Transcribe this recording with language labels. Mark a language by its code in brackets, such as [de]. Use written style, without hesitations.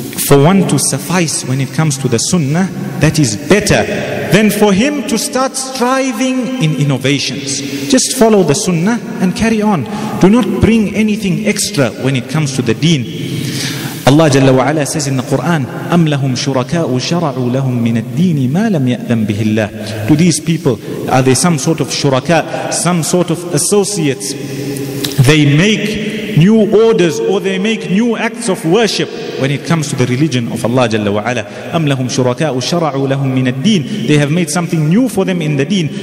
[en] For one to suffice when it comes to the sunnah, that is better than for him to start striving in innovations. Just follow the sunnah and carry on. Do not bring anything extra when it comes to the deen. Allah Jalla wa Ala says in the Quran, [ar] أَمْ لَهُمْ شُرَكَاءُ شَرَعُوا لَهُمْ مِنَ الدِّينِ مَا لَمْ يَأْذَنْ بِهِ اللَّهِ. [en] To these people, are they some sort of shuraka, some sort of associates? They make new orders or they make new acts of worship when it comes to the religion of Allah Jalla wa Ala. [ar] أَمْ لَهُمْ شُرَكَاءُ شَرَعُوا لَهُمْ مِنَ الدِّينِ. [en] They have made something new for them in the deen.